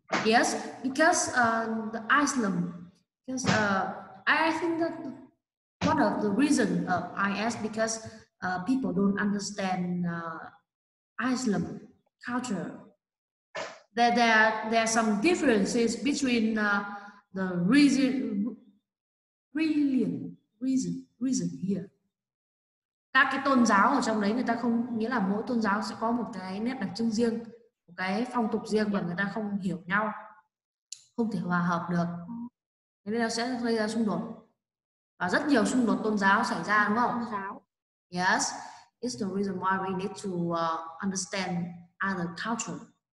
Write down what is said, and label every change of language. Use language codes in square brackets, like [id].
[en] Yes, because the Islam, because I think that one of the reason of IS because people don't understand Islam culture. There are some differences between the reason here. [vi] Các cái tôn giáo ở trong đấy người ta không nghĩa là mỗi tôn giáo sẽ có một cái nét đặc trưng riêng, một cái phong tục riêng và người ta không hiểu nhau, không thể hòa hợp được. Thế nên nó sẽ gây ra xung đột. Và rất nhiều xung đột tôn giáo xảy ra đúng không? Tôn giáo. [en] Yes, it's the reason why we need to understand other culture.